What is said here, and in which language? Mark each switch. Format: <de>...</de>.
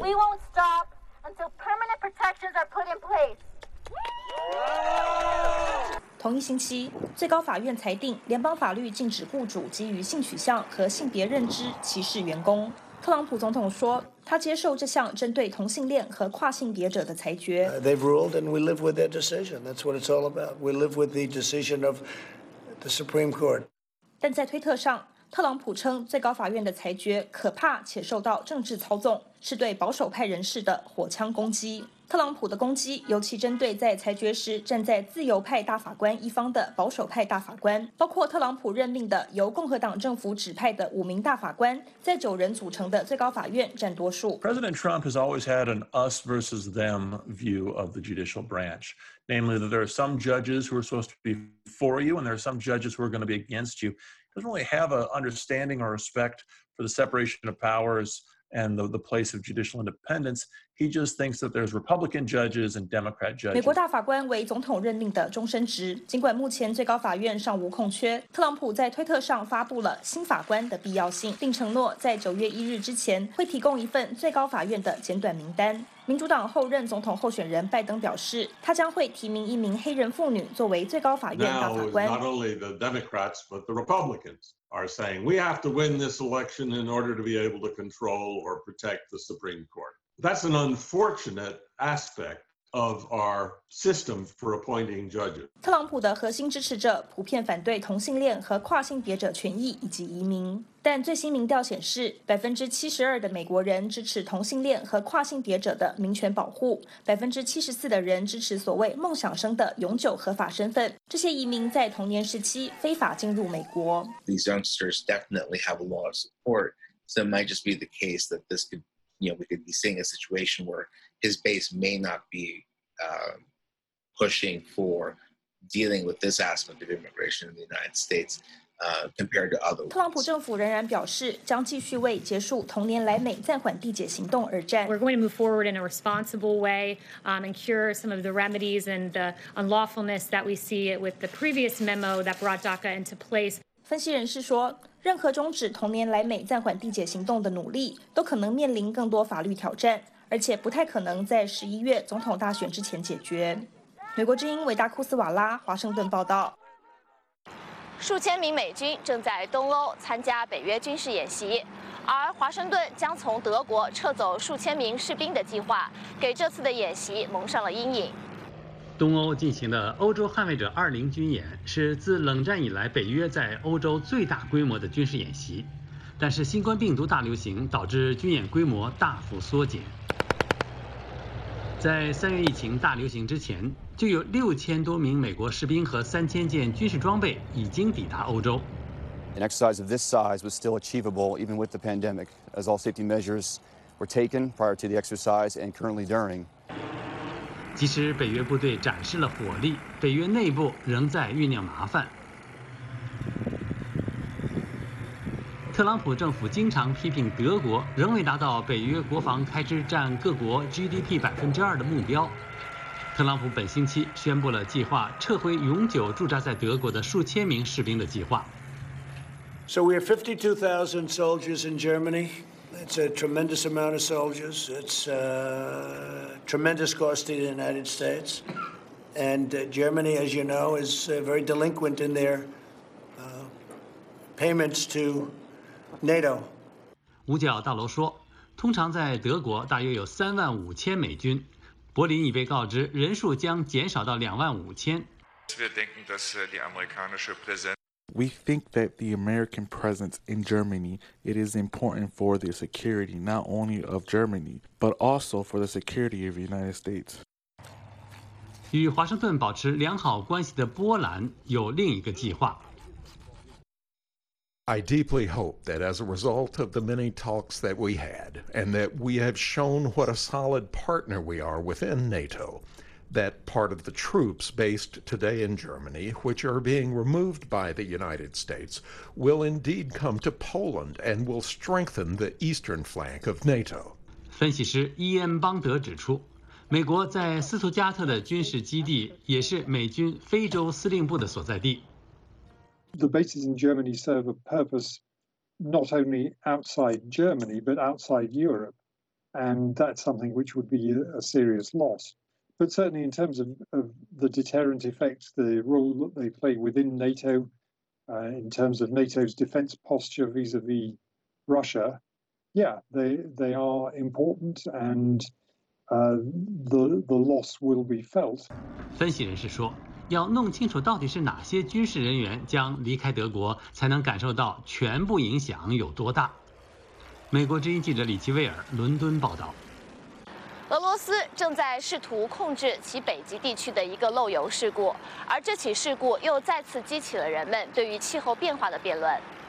<en>We won't stop until permanent protections are put in place.</en> <zh>同一星期，最高法院裁定联邦法律禁止雇主基于性取向和性别认知歧视员工。特朗普总统说，他接受这项针对同性恋和跨性别者的裁决。</zh> <en>They've ruled and we live with their decision. That's what it's all about. We live with the decision of the Supreme Court.</en> <zh>但在推特上，特朗普称最高法院的裁决可怕且受到政治操纵，是对保守派人士的火枪攻击。特朗普的攻击尤其针对在裁决时站在自由派大法官一方的保守派大法官，包括特朗普任命的由共和党政府指派的5名大法官，在9人组成的最高法院占多数。</zh> <en>President Trump has always had an us versus them view of the judicial branch, namely that there are some judges who are supposed to be for you and there are some judges who are going to be against you. He doesn't really have an understanding or respect for the separation of powers. And the place of judicial independence, he just thinks that there's Republican judges and Democrat judges.</en> <zh>美国大法官为总统任命的终身职，尽管目前最高法院尚无空缺，特朗普在推特上发布了新法官的必要性，并承诺在9月1日之前会提供一份最高法院的简短名单。民主党后任总统候选人拜登表示，他将会提名一名黑人妇女作为最高法院大法官。</zh> <en>Now, not only the Democrats, but the Republicans. are saying, we have to win this election in order to be able to control or protect the Supreme Court. That's an unfortunate aspect of our system for appointing judges.</en> <zh>特朗普的核心支持者普遍反对同性恋和跨性别者权益以及移民。但最新民调显示，72%的美国人支持同性恋和跨性别者的民权保护，74%的人支持所谓梦想生的永久合法身份。这些移民在童年时期非法进入美国。</zh> <en>These youngsters definitely have a lot of support, so it might just be the case that this could, you know, we could be seeing a situation where his base may not be, pushing for dealing with this aspect of immigration in the United States. Compared to other ones.</en> <zh>特朗普政府仍然表示将继续为结束同年来美暂缓缔结行动而战。</zh> <en>We're going to move forward in a responsible way, and cure some of the remedies and the unlawfulness that we see with the previous memo that brought DACA into place.</en> <zh>分析人士说，任何终止同年来美暂缓缔结行动的努力都可能面临更多法律挑战，而且不太可能在11月总统大选之前解决。美国之音维达库斯瓦拉华盛顿报道。数千名美军正在东欧参加北约军事演习，而华盛顿将从德国撤走数千名士兵的计划，给这次的演习蒙上了阴影。东欧进行的欧洲捍卫者20军演是自冷战以来北约在欧洲最大规模的军事演习，但是新冠病毒大流行导致军演规模大幅缩减。在三月疫情大流行之前，就有6000多名美国士兵和3000件军事装备已经抵达欧洲。</zh> <en>An exercise of this size was still achievable even with the pandemic, as all safety measures were taken prior to the exercise and currently during.</en> <zh>即使北约部队展示了火力，北约内部仍在酝酿麻烦。特朗普政府经常批评德国仍未达到北约国防开支占各国 GDP 2%的目标。特朗普本星期宣布了计划撤回永久驻扎在德国的数千名士兵的计划。</zh> <en>So we have 52,000 soldiers in Germany. It's a tremendous amount of soldiers. It's a tremendous cost to the United States. And Germany, as you know, is very delinquent in their payments to NATO.</en> <zh>五角大楼说，通常在德国大约有35,000美军。柏林已被告知人数将减少到25,000。</zh> <de>Wir denken, dass die amerikanische Präsenz</de> <en>We think that the American presence in Germany, it is important for the security, not only of Germany, but also for the security of the United States.</en> <zh>与华盛顿保持良好关系的波兰有另一个计划。</zh> <en>I deeply hope that as a result of the many talks that we had, and that we have shown what a solid partner we are within NATO,that part of the troops based today in Germany, which are being removed by the United States, will indeed come to Poland and will strengthen the eastern flank of NATO.</en> <zh>分析师伊恩·邦德指出，美国在斯图加特的军事基地也是美军非洲司令部的所在地。</zh> <en>The bases in Germany serve a purpose not only outside Germany, but outside Europe, and that's something which would be a serious loss. But certainly in terms of the deterrent effect, the role that they play within NATO, in terms of NATO's defense posture vis-a-vis Russia, yeah, they are important and the loss will be felt.</en> <zh>分析人士说，要弄清楚到底是哪些军事人员将离开德国才能感受到全部影响有多大。美国之音记者李奇威尔，伦敦报道。俄罗斯正在试图控制其北极地区的一个漏油事故，而这起事故又再次激起了人们对于气候变化的辩论。</zh>